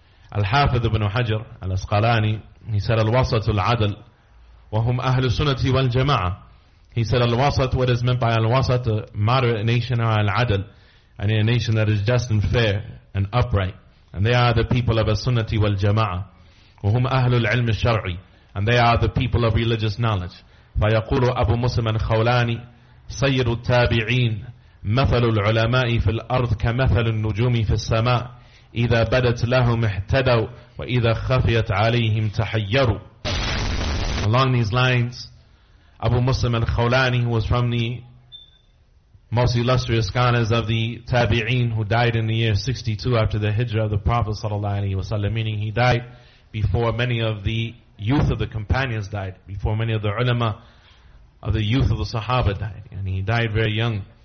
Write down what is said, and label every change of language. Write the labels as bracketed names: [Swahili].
[Arabic] Al-Hafiz ibn Hajar al-Asqalani, [English] he said, [Arabic] الْوَسَطُ الْعَدَلِ وَهُمْ أَهْلُ السُنَّةِ وَالْجَمَعَةِ. [English] He said, Al-Wasat, what is meant by Al-Wasat? A moderate nation, or Al-Adl, and a nation that is just and fair and upright. And they are the people of As-Sunnati wal-Jama'ah, [Arabic] وهم أهل العلم الشرعي. [English] And they are the people of religious knowledge. [Arabic] فيقول أبو مسلم الخولاني سير التابعين مثل العلماء في الأرض كمثل النجوم في السماء إذا بدت لهم احتدوا وإذا خفيت عليهم تحيروا. [English] Along these lines, Abu Muslim al-Khawlani, who was from the most illustrious scholars of the Tabi'een, who died in the year 62 after the Hijrah of the Prophet sallallahu alaihi wasallam, meaning he died before many of the youth of the companions died, before many of the ulama of the youth of the Sahaba died, and he died very young.